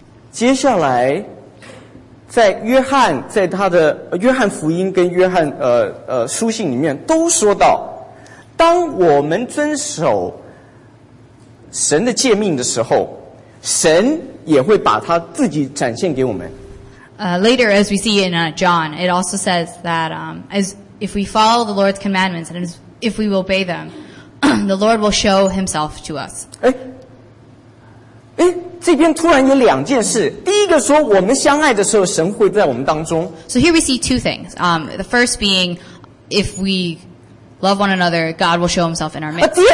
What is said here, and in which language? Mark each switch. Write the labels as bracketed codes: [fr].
[zh] 接下来, 在约翰, 在他的, 约翰福音跟约翰, 书信里面, 都说到, 当我们遵守 神的诫命的时候, 神也会把他自己展现给我们。 [en] Later, as we see in John, it also says that as if we follow the Lord's commandments and if we obey them, the Lord will show himself to us. [zh] 诶, 这边突然有两件事, 第一个说我们相爱的时候神会在我们当中。 [en] So here we see two things. The first being, if we love one another, God will show himself in our midst.